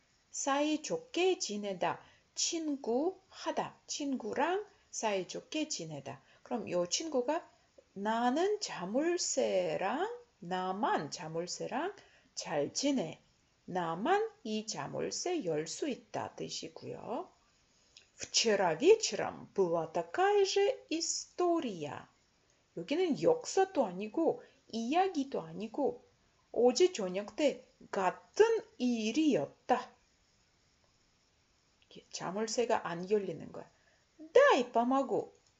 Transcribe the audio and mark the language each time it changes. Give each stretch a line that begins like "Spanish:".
Korean: 사이 좋게 지내다. 친구하다. 친구랑 사이좋게 지내다. 그럼 요 친구가 나는 자물쇠랑 나만 자물쇠랑 잘 지내. 나만 이 자물쇠 열 수 있다 뜻이고요.
Russian: Вчера вечером была такая же история.
Korean: 여기는 역사도 아니고 이야기도 아니고 어제 저녁 때 같은 일이었다. 자물쇠가 안 열리는 거야. 다이 빠마구.